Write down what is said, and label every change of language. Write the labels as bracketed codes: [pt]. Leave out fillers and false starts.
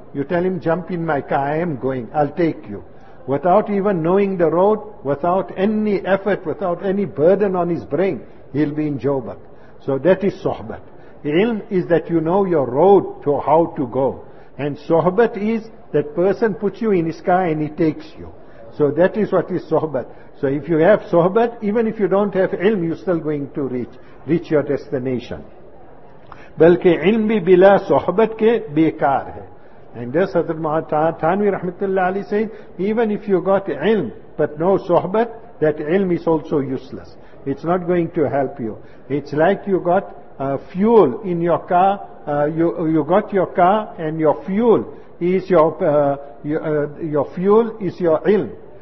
[en] You tell him, jump in my car, I am going, I'll take you. Without even knowing the road, without any effort, without any burden on his brain, he'll be in Joburg. So that is sohbat. Ilm is that you know your road to how to go. And sohbat is that person puts you in his car and he takes you. So that is what is sohbat. So if you have sohbat, even if you don't have ilm, you're still going to reach your destination. [ur] بلکہ علم بھی بلا صحبت کے بیکار ہے. [en] And this Hazrat Thanvi Rahmatullah Ali says, even if you got ilm but no sohbat, that ilm is also useless. It's not going to help you. It's like you got fuel in your car, you got your car and your fuel is your fuel is your ilm.